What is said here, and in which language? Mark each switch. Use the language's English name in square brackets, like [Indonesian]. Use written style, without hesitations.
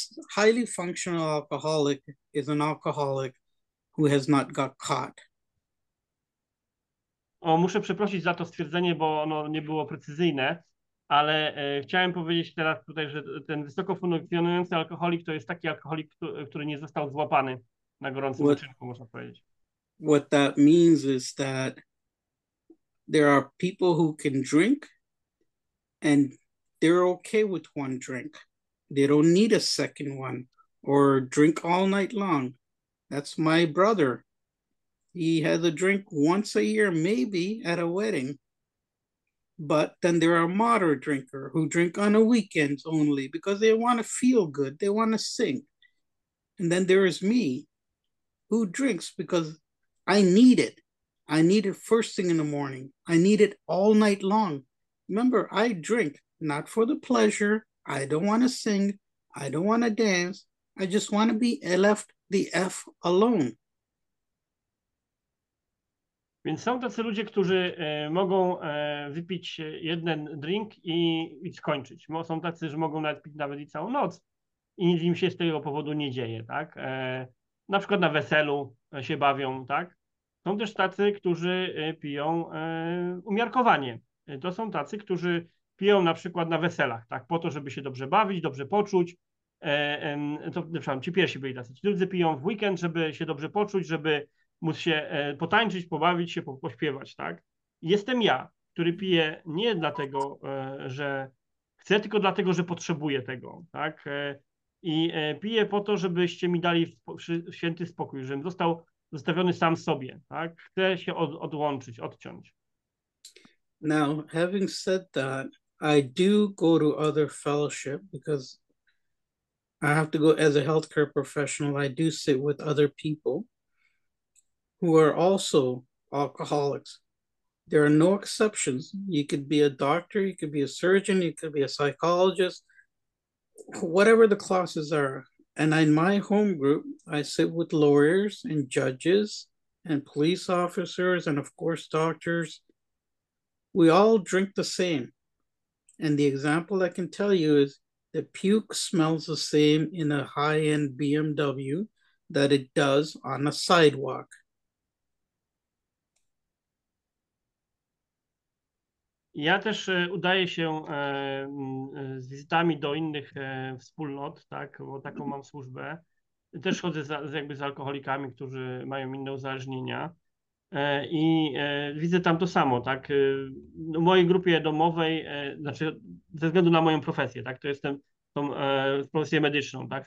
[English] Highly functional alcoholic is an alcoholic who has not got caught. [Polish] O, muszę przeprosić za to stwierdzenie, bo ono nie było precyzyjne. Ale chciałem powiedzieć teraz tutaj, że ten wysoko funkcjonujący alkoholik to jest taki alkoholik, który nie został złapany na gorącym uczynku, można powiedzieć. [English] What that means is that there are people who can drink and they're okay with one drink. They don't need a second one or drink all night long. That's my brother. He has a drink once a year, maybe at a wedding. But then there are moderate drinkers who drink on the weekends only because they want to feel good. They want to sing. And then there is me who drinks because I need it. I need it first thing in the morning. I need it all night long. Remember, I drink not for the pleasure. I don't want to sing. I don't want to dance. I just want to be left the F alone. [Polish] Więc są tacy ludzie, którzy mogą wypić jeden drink i skończyć. Są tacy, że mogą nawet pić nawet i całą noc i nic im się z tego powodu nie dzieje, tak? Na przykład na weselu się bawią, tak? Są też tacy, którzy piją umiarkowanie. To są tacy, którzy piją na przykład na weselach, tak? Po to, żeby się dobrze bawić, dobrze poczuć. Przepraszam, ci pierwsi byli tacy. Ci drudzy piją w weekend, żeby się dobrze poczuć, żeby móc się potańczyć, pobawić się, pośpiewać, tak? Jestem ja, który piję nie dlatego, że chcę, tylko dlatego, że potrzebuję tego, tak? I piję po to, żebyście mi dali święty spokój, żebym został zostawiony sam sobie, tak? Chcę się odłączyć, odciąć. [English] Now, having said that, I do go to other fellowship because I have to go as a healthcare professional. I do sit with other people who are also alcoholics. There are no exceptions. You could be a doctor, you could be a surgeon, you could be a psychologist, whatever the classes are. And in my home group, I sit with lawyers and judges and police officers and, of course, doctors. We all drink the same. And the example I can tell you is the puke smells the same in a high-end BMW that it does on a sidewalk. [Polish] Ja też udaję się z wizytami do innych wspólnot, tak, bo taką mam służbę. Też chodzę jakby z alkoholikami, którzy mają inne uzależnienia. I widzę tam to samo, tak. W mojej grupie domowej, znaczy ze względu na moją profesję, tak, to jestem tą profesję medyczną, tak.